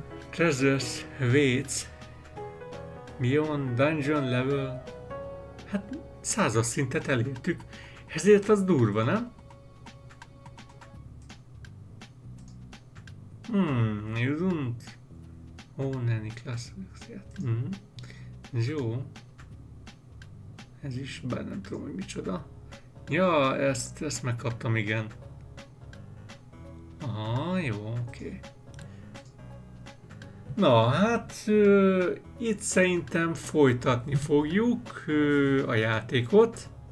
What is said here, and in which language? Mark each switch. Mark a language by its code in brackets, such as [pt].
[en] Treasures waits beyond dungeon level. [hu] Hát százas szintet elértük, ezért az durva, nem? [en] You don't own any classics yet. [hu] Ez jó. Ez is, bár nem tudom, hogy micsoda. Ja, ezt megkaptam, igen. Aha, jó, oké. Na, hát itt szerintem folytatni fogjuk a játékot.